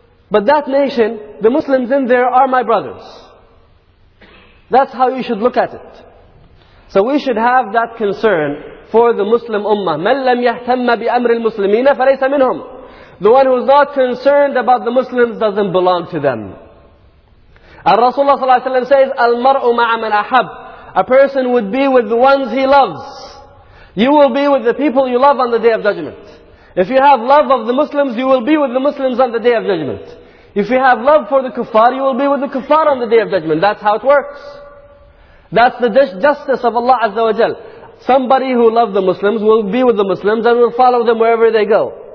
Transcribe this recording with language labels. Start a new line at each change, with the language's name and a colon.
English: But that nation, the Muslims in there are my brothers. That's how you should look at it. So we should have that concern for the Muslim ummah.
Arabic: مَنْ لَمْ يَهْتَمَّ بِأَمْرِ الْمُسْلِمِينَ فَلَيْسَ مِنْهُمْ.
English: The one who is not concerned about the Muslims doesn't belong to them. And Rasulullah صلى الله عليه وسلم says,
Arabic: الْمَرْءُ مَعَ مَنْ أَحَبْ.
English: A person would be with the ones he loves. You will be with the people you love on the Day of Judgment. If you have love of the Muslims, you will be with the Muslims on the Day of Judgment. If you have love for the kuffar, you will be with the kuffar on the Day of Judgment. That's how it works. That's the justice of Allah Azza wa Jal. Somebody who loves the Muslims will be with the Muslims and will follow them wherever they go.